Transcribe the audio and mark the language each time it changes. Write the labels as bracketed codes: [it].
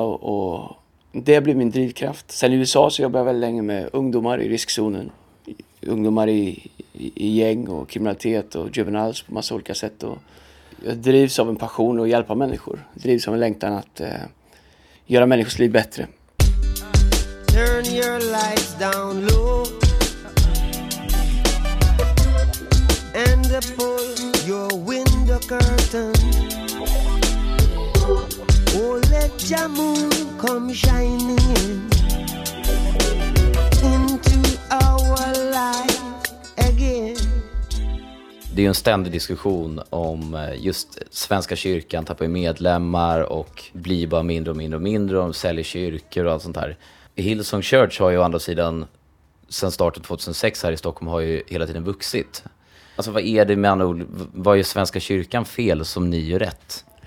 [sv] Och det blev min drivkraft. Sen i USA så jobbade jag väldigt länge med ungdomar i riskzonen. Ungdomar i gäng och kriminalitet och juveniles på massa olika sätt. Och jag drivs av en passion att hjälpa människor. Jag drivs av en längtan att göra människors liv bättre. [en] Turn your lights down low and pull your window curtain. Oh, let your moon come shining in into our life again. [sv] Det är en ständig diskussion om just Svenska kyrkan tappar medlemmar och blir bara mindre och mindre och mindre och säljer kyrkor och allt sånt här. Hillsong Church har ju å andra sidan sen starten 2006 här i Stockholm har ju hela tiden vuxit. Alltså vad är det med andra ord, vad är Svenska kyrkan fel som ni gör rätt?